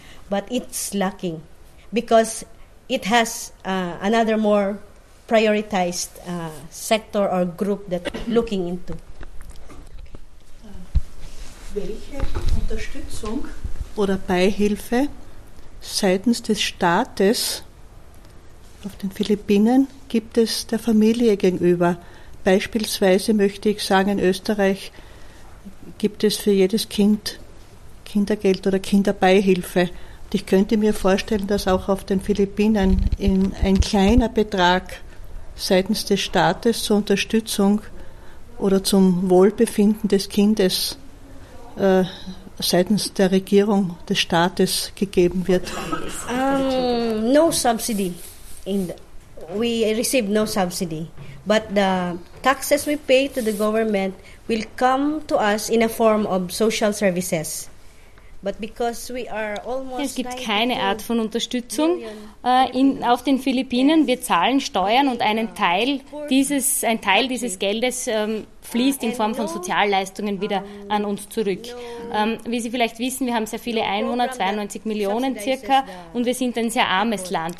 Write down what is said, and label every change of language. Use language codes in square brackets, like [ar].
[en] But it's lacking, because it has another more prioritized sector or group that looking into. [de] Welche Unterstützung oder Beihilfe seitens des Staates auf den Philippinen gibt es der Familie gegenüber? Beispielsweise möchte ich sagen, in Österreich gibt es für jedes Kind Kindergeld oder Kinderbeihilfe. Und ich könnte mir vorstellen, dass auch auf den Philippinen ein kleiner Betrag seitens des Staates zur Unterstützung oder zum Wohlbefinden des Kindes seitens der Regierung des Staates gegeben wird. [en] No subsidy. We receive no subsidy, but the taxes we pay to the government will come to us in a form of social services. But because we are almost, [de] es gibt keine Art von Unterstützung auf den Philippinen. Wir zahlen Steuern und ein Teil dieses Geldes fließt in Form von Sozialleistungen wieder an uns zurück. Wie Sie vielleicht wissen, wir haben sehr viele Einwohner, 92 Millionen circa, und wir sind ein sehr armes Land.